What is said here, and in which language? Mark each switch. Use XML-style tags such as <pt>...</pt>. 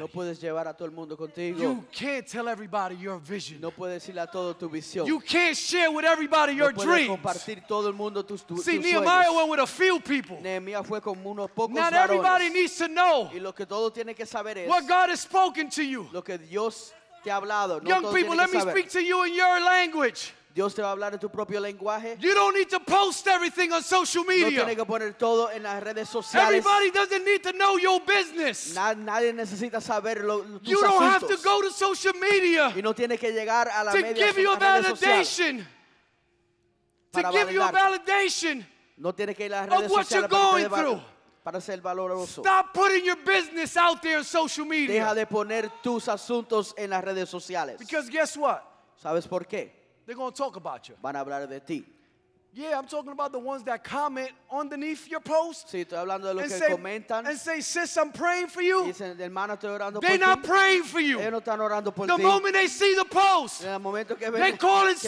<es>No puedes llevar a todo el mundo contigo.</es> <en>You can't tell everybody your vision.</en> <es>No puedes decirle a todo tu visión.</es> <en>You can't share with everybody your dreams.</en> <es>No puedes compartir todo el mundo tus sueños.</es> <en>See, Nehemiah went with a few people.</en> <es>Nehemiah fue con unos pocos varones.</es> <en>Not everybody needs to know.</en> <es>Y lo que todo tiene que saber es</es> <en>what God has spoken to you.</en> <es>Lo que Dios te ha hablado.</es> <en>Young people, let me speak to you in your language.</en> <es>Dios te va a hablar en tu propio lenguaje.</es> <en>You don't need to post everything on social media.</en> <es>No tienes que poner todo en las redes sociales.</es> <en>Everybody doesn't need to know your business.</en> <es>Nadie necesita saber tus asuntos.</es> <en>You don't have to go to social media.</en> <es>Y no tienes que llegar a la media social.</es> <en>To give you a validation. To give you a validation.</en> <es>No tienes que ir a las redes sociales para</es> <en>what you're going through.</en> <es>Para ser valoroso.</es> <en>Stop putting your business out there on social media.</en> <es>Deja de poner tus asuntos en las redes sociales.</es> <en>Because guess what?</en> <es>¿Sabes por qué?</es> <en>They're going to talk about you.</en> <es>Van a hablar de ti.</es> <en>Yeah, I'm talking about the ones that comment underneath your post.</en> <es>Sí, estoy hablando de los que comentan.</es> <en>And say, sis, I'm praying for you.</en> <es>Dicen, hermano, estoy orando por ti.</es> <en>They're not praying for you.</en> <es>Ellos no están orando por ti.</es> <en>The moment they see the post,</en> <es>en el momento que ven,</es> <en>they're calling</en> <es>que</es>